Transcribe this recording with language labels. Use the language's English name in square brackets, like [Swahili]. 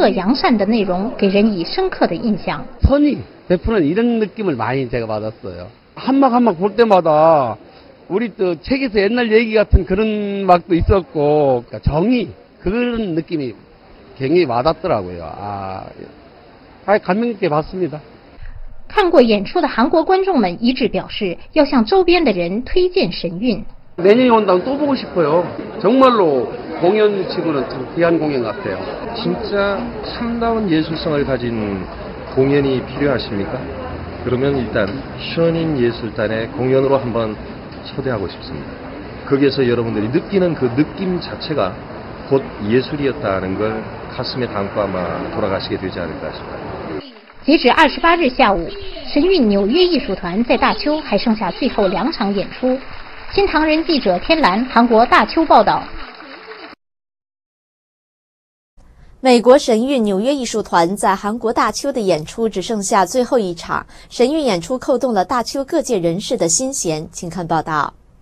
[Chinese] 还有的观众表示，节目中惩恶扬善的内容给人以深刻的印象。 [Korean] 선이 베푸는 이런 느낌을 많이 제가 받았어요. 한막 한막 볼 때마다 우리 또 책에서 옛날 얘기 같은 그런 막도 있었고, 그러니까 정이 그런 느낌이 굉장히 와닿더라고요. 아, 감명 깊게 봤습니다. [Chinese] 看过演出的韩国观众们一致表示，要向周边的人推荐《神韵》。 [Korean] 내년에 온다고 또 보고 싶어요. 정말로 공연 치고는 참 귀한 공연 같아요. 진짜 참다운 예술성을 가진 공연이 필요하십니까? 그러면 일단 션인 예술단의 공연으로 한번 초대하고 싶습니다. 거기에서 여러분들이 느끼는 그 느낌 자체가 곧 예술이었다는 걸 가슴에 담고 아마 돌아가시게 되지 않을까 싶어요. [Chinese] 截止28日下午，神韵纽约艺术团在大邱还剩下最后两场演出。新唐人记者天蓝，韩国大邱报道。美国神韵纽约艺术团在韩国大邱的演出只剩下最后一场，神韵演出扣动了大邱各界人士的心弦，请看报道。